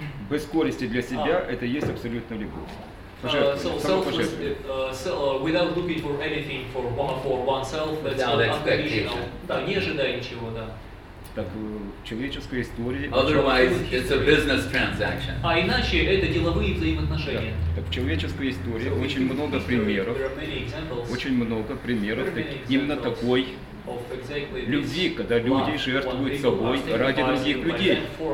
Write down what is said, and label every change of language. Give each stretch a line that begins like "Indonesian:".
Russian: Без корости для себя – это есть абсолютная любовь.
English: Without looking for anything for oneself, that's unconditional.
Russian: Да, не ожидая ничего, да. Так в человеческой истории.
English: Otherwise, it's a business transaction.
Russian: А иначе это деловые взаимоотношения. Так, в человеческой истории очень много примеров. Очень много примеров именно такой любви, когда люди жертвуют собой ради других людей.